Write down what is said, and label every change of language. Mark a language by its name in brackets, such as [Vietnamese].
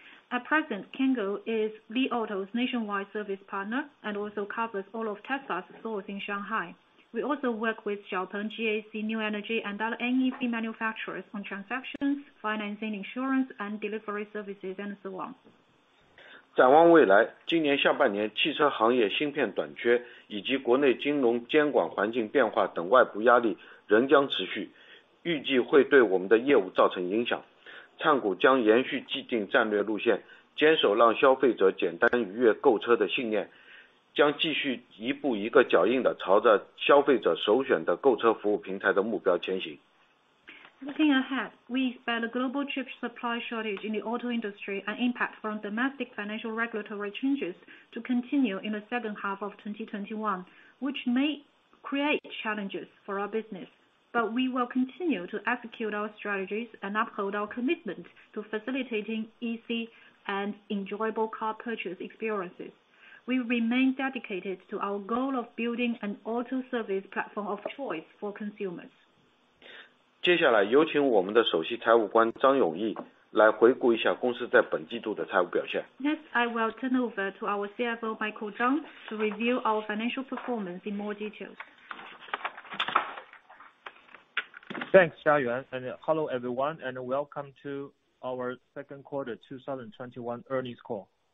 [English] At present, Kango is Li Auto's nationwide service partner and also covers all of Tesla's stores in Shanghai. We also work with XPeng, GAC, New Energy, and other NEV manufacturers on transactions, financing, insurance, and delivery services, and so on. [Chinese] 展望未来，今年下半年汽车行业芯片短缺以及国内金融监管环境变化等外部压力仍将持续，预计会对我们的业务造成影响。灿谷将延续既定战略路线，坚守让消费者简单愉悦购车的信念，将继续一步一个脚印地朝着消费者首选的购车服务平台的目标前行。 [English] Looking ahead, we expect a global chip supply shortage in the auto industry and impact from domestic financial regulatory changes to continue in the second half of 2021, which may create challenges for our business. But we will continue to execute our strategies and uphold our commitment to facilitating easy and enjoyable car purchase experiences. We remain dedicated to our goal of building an auto service platform of choice for consumers. [Chinese] 接下来有请我们的首席财务官张永毅来回顾一下公司在本季度的财务表现。 [English] Next, I will turn over to our CFO Michael Zhang to review our financial performance in more details. Thanks, Xiaoyuan, and hello everyone, and welcome to our second quarter 2021 earnings call.